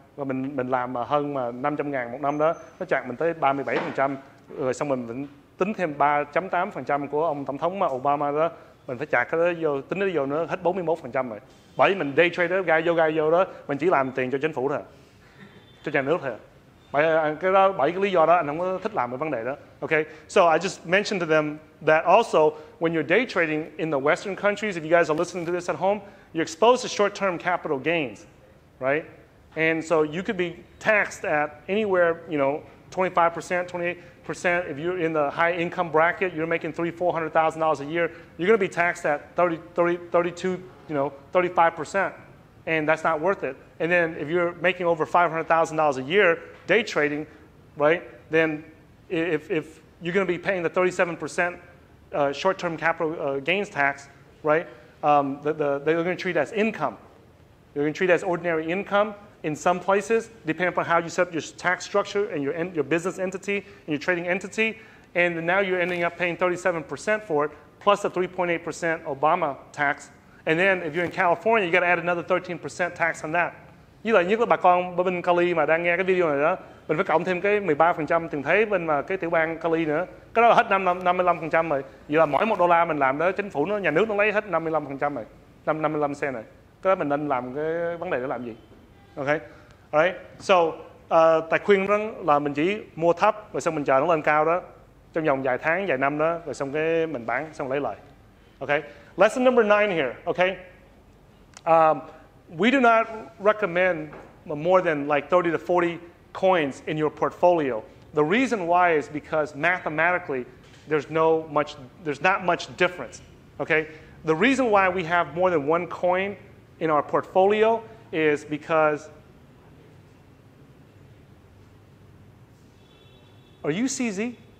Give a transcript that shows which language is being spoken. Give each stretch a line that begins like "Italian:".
Vietnamese: Và mình làm mà hơn mà 500 ngàn một năm đó, nó chặt mình tới 37%, rồi xong mình tính thêm 3.8% của ông tổng thống Obama đó, mình phải chặt cái đó vô, tính nó vô nữa hết 41% rồi. Bởi vì mình day trader gai vô đó, mình chỉ làm tiền cho chính phủ thôi, cho nhà nước thôi. Bởi cái đó, bởi cái lý do đó anh không có thích làm cái vấn đề đó.
English: Okay, so I just mentioned to them that also when you're day trading in the Western countries, if you guys are listening to this at home, you're exposed to short-term capital gains, right? And so you could be taxed at anywhere, you know, 25%, 28%. If you're in the high income bracket, you're making $300,000-$400,000 a year, you're going to be taxed at 35%. And that's not worth it. And then if you're making over $500,000 a year day trading, right, then if you're going to be paying the 37% short-term capital gains tax, right, they're going to treat as income. They're going to treat as ordinary income. In some places, depending upon how you set up your tax structure and your business entity and your trading entity, and now you're ending up paying 37% for it, plus the 3.8% Obama tax. And then if you're in California, you got to add another 13% tax on that.
Vietnamese: Như là nhất là bà con bên Cali mà đang nghe cái video này đó, mình phải cộng thêm cái 13% tiền thuế bên mà cái tiểu bang Cali nữa. Cái đó là hết 55% rồi. Vậy là mỗi $1 mình làm đó, chính phủ nó, nhà nước nó lấy hết 55% rồi, 55 cent rồi. Cái đó mình nên làm cái vấn đề để làm gì?
English: Okay, alright. So,
Vietnamese: tài khuyên rằng là mình chỉ mua thấp rồi xong mình chờ nó lên cao đó, trong vòng vài tháng, vài năm đó, rồi xong cái mình bán, xong lấy lời.
English: Okay. Lesson number 9 here. Okay. We do not recommend more than like 30 to 40 coins in your portfolio. The reason why is because mathematically, there's not much difference. Okay. The reason why we have more than one coin in our portfolio is because, are you CZ?